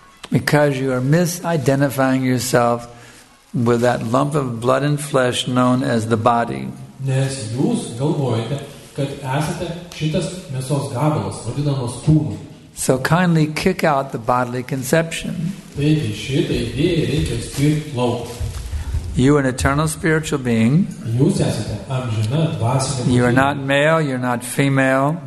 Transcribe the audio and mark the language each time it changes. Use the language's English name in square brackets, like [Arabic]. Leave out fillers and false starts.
[English] Because you are misidentifying yourself with that lump of blood and flesh known as the body. [Lithuanian] Nes jūs galvojate, kad esate šitas mėsos gabalas, vadinamas kūnu. [English] So kindly kick out the bodily conception. [Lithuanian] Taigi, šitą idėją reikia skirti lauk. [English] You are an eternal spiritual being. [Lithuanian] Jūs esate amžina dvasinė būtybė. [English] You are not male, you are not female.